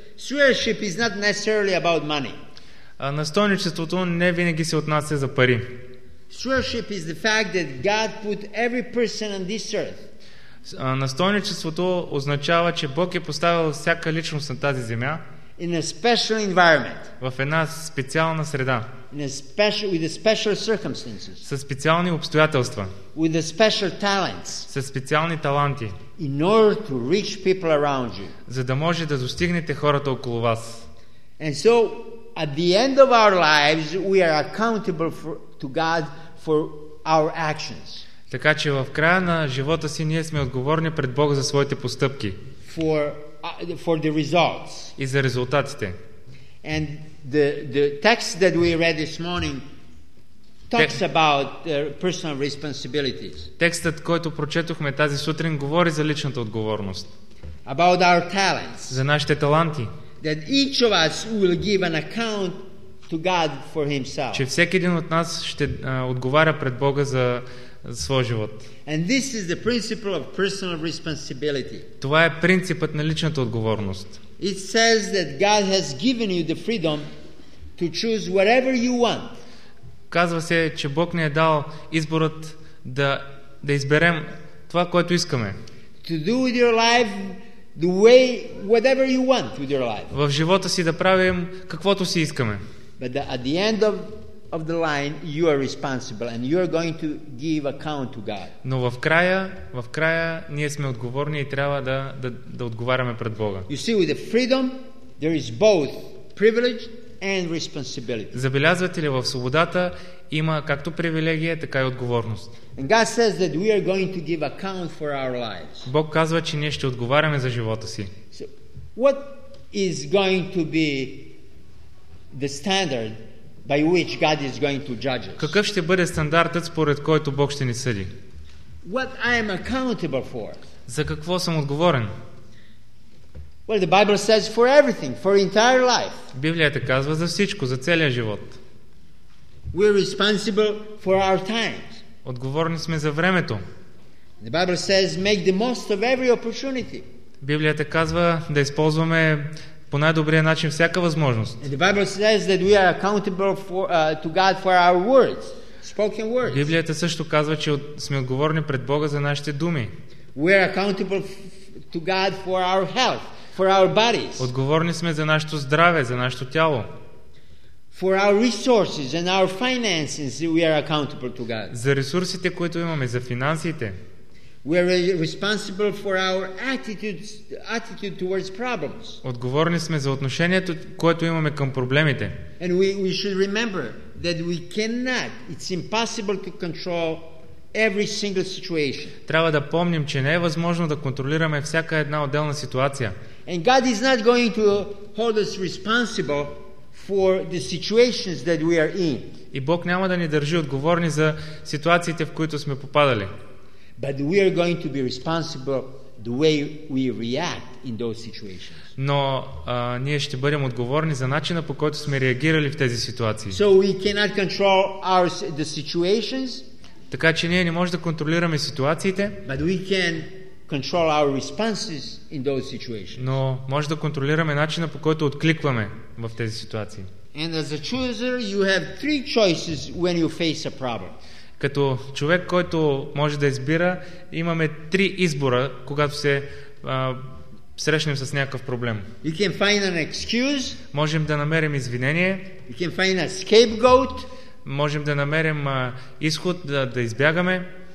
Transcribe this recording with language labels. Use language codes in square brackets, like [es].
[en] Stewardship is not necessarily about money. [bg] Настойничеството не винаги се отнася за пари. [en] Stewardship is the fact that God put every person on this earth. [bg] Настойничеството означава, че Бог е поставил всяка личност на тази земя [en] in a special environment. [bg] В една специална среда. [en] In a special, with a special circumstances. [bg] Със специални обстоятелства. [en] With a special talents. [bg] Със специални таланти. [en] In order to reach people around you. [bg] За да може да достигнете хората около вас. [en] And so at the end of our lives, we are accountable to God for our actions. [bg] Така че в края на живота си ние сме отговорни пред Бога за своите постъпки. [en] For the results. [bg] И за резултатите. [en] And the text that we read this morning talks about personal responsibilities. [bg] Текстът, който прочетохме тази сутрин, говори за личната отговорност. [en] About our talents. [bg] За нашите таланти. [en] That each of us will give an account to God for himself. [bg] Че всеки един от нас ще отговаря пред Бога за своя живот. [en] And this is the principle of personal responsibility. [bg] Това е принципът на личната отговорност. [en] It says that God has given you the freedom to choose whatever you want. [bg] Казва се, че Бог ни е дал изборът да изберем това, което искаме. [en] To do with your life the way whatever you want with your life. [bg] В живота си да правим каквото си искаме. [en] But at the end of the line you are responsible and you are going to give account to God. [bg] Но в края ние сме отговорни и трябва да отговаряме пред Бога. [en] You see, with the freedom there is both privilege and responsibility. [bg] Забелязвате ли, в свободата има както привилегия, така и отговорност. [en] And God says that we are going to give account for our lives. [bg] Бог казва, че ние ще отговаряме за живота си. [en] So, what is going to be the standard by which God is going to judge us? [bg] Какъв ще бъде стандартът, според който Бог ще ни съди? [en] What I am accountable for? [bg] За какво съм отговорен? [en] Well, the Bible says for everything, for entire life. [bg] Библията казва за всичко, за целия живот. [en] We are responsible for our times. [bg] Отговорни сме за времето. [en] The Bible says make the most of every opportunity. [bg] Библията казва да използваме по най-добрия начин всяка възможност. [en] And the Bible says that we are accountable to God for our words. spoken words. [bg] Библията също казва, че сме отговорни пред Бога за нашите думи. [en] We are accountable to God for our health, for our bodies. [bg] Отговорни сме за нашето здраве, за нашето тяло. [en] For our resources and our finances, we are accountable to God. [bg] За ресурсите, които имаме, за финансите. [en] We are responsible for our attitude towards problems. [bg] Отговорни сме за отношението, което имаме към проблемите. [en] And we should remember that we cannot, it's impossible to control every single situation. [bg] Трябва да помним, че не е възможно да контролираме всяка една отделна ситуация. [en] And God is not going to hold us responsible for the situations that we are in. [bg] И Бог няма да ни държи отговорни за ситуациите, в които сме попадали. [en] But we are going to be responsible the way we react in those situations. [bg] Но ние ще бъдем отговорни за начина, по който сме реагирали в тези ситуации. [en] So we cannot control the situations. [bg] Така че ние не можем да контролираме ситуациите. [en] But we can control our responses in those situations. [bg] Но може да контролираме начина, по който откликваме в тези ситуации. [en] And as a chooser, you have three choices when you face a problem. [bg] Като човек, който може да избира, имаме три избора, когато се срещнем с някакъв проблем. [en] You can find an excuse. [bg] Можем да намерим извинение. [en] You can find a scapegoat. [bg] Можем да намерим изход, да избягаме.